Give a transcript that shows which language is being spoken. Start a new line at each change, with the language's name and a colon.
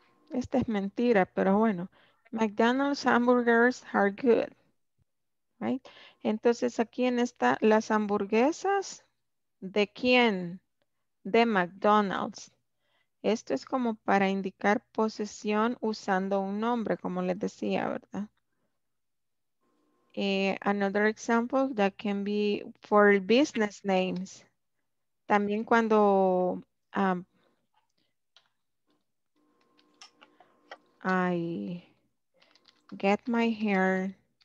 Spanish: Esta es mentira, pero bueno.
English: McDonald's hamburgers are good, right?
Spanish: Entonces aquí en esta, las hamburguesas, ¿de quién? De McDonald's. Esto es como para indicar posesión usando un nombre, como les decía, ¿verdad?
English: Another example that can be for business names.
Spanish: También cuando
English: I get my hair.